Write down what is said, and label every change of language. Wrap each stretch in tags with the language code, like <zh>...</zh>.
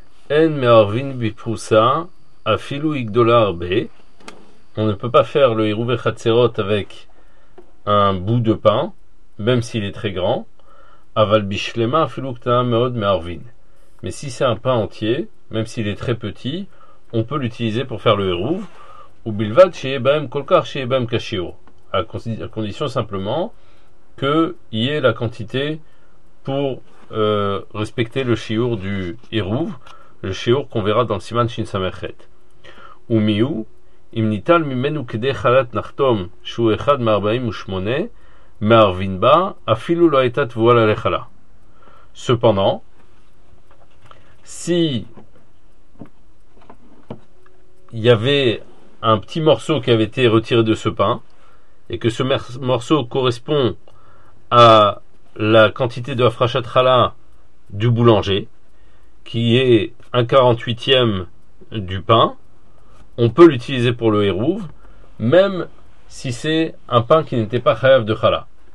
<he>אין מערבין בפרוסה, אפילו היא גדולה הרבה.</he> <fr>On ne peut pas faire le hirouv chatzerot avec un bout de pain, même s'il est très grand.</fr> <he>Aval bishlema afilu ktana meod me'arvin.</he> <fr>Mais si c'est un pain entier, même s'il est très petit, on peut l'utiliser pour faire le hirouv.</fr> <he>Ou bilvad she'ebam kolkar she'ebam kashiro.</he> <fr>À condition simplement qu'il y ait la quantité pour respecter le shiur du hirouv, le shiur qu'on verra dans le siman shin samechet. Ou miou.</fr> <he>אם ניטל ממנו כדי חלת נחתום שהוא אחד מ-48 מערבין בה אפילו לא הייתה תבועה ללחלה.</he> <fr>Cependant, si il y avait un petit morceau qui avait été retiré de ce pain et que ce morceau correspond à la quantité de hafrachat chala du boulanger qui est 1/48 du pain, on peut l'utiliser pour le hérouv, même si c'est un pain qui n'était pas chayav de chala.</fr>